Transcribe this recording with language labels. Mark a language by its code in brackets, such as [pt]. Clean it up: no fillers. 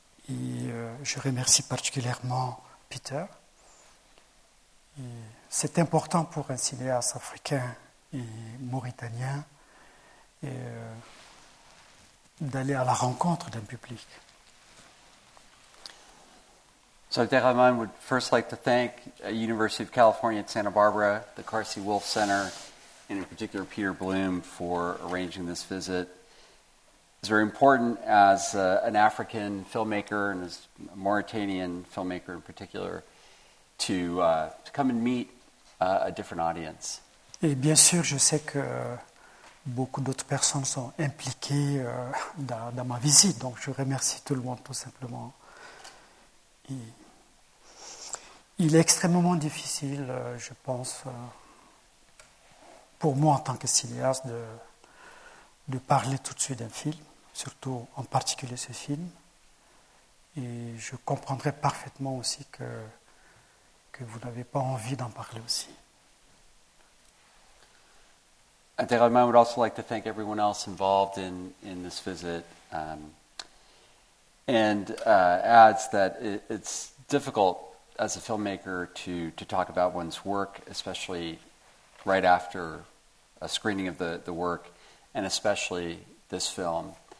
[fr] Et je remercie particulièrement Peter. Et c'est important pour un cinéaste africain et mauritanien et d'aller à la rencontre d'un public. [en] So Abdurrahman would first like to thank University of California at Santa Barbara, the Carsey Wolf Center, and in particular Peter Bloom for arranging this visit. It's very important as an African filmmaker and as a Mauritanian filmmaker in particular to come and meet a different audience. [fr] Et bien sûr, je sais que beaucoup d'autres personnes sont impliquées dans ma visite, donc je remercie tout le monde tout simplement. Et il est extrêmement difficile, je pense, pour moi en tant que cinéaste de parler tout de suite d'un film. Surtout en particulier ce film, et je comprendrais parfaitement aussi que vous n'avez pas envie d'en parler aussi. [en] Abdurrahman would also like to thank everyone else involved in this visit, and adds that it's difficult as a filmmaker to talk about one's work, especially right after a screening of the work, and especially this film.